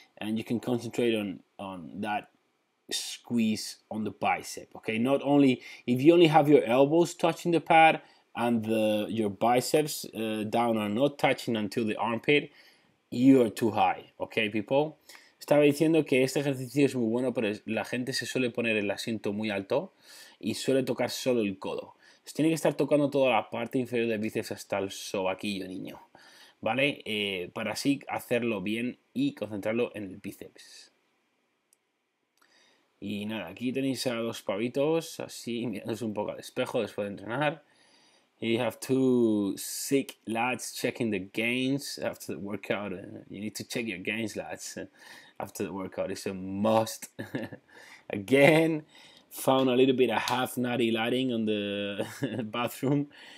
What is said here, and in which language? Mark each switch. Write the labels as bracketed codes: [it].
[en] And you can concentrate on that squeeze on the bicep, okay? Not only, if you only have your elbows touching the pad and your biceps down are not touching until the armpit, you are too high, okay, people? [es] Estaba diciendo que este ejercicio es muy bueno, pero la gente se suele poner el asiento muy alto y suele tocar solo el codo. Tiene que estar tocando toda la parte inferior del bíceps hasta el sobaquillo, niño. ¿Vale? Para así hacerlo bien y concentrarlo en el bíceps. Y nada, aquí tenéis a dos pavitos, así, mirándose un poco al espejo después de entrenar. [en] You have two sick lads checking the gains after the workout. You need to check your gains, lads, after the workout. It's a must. Again, found a little bit of half nutty lighting on the bathroom.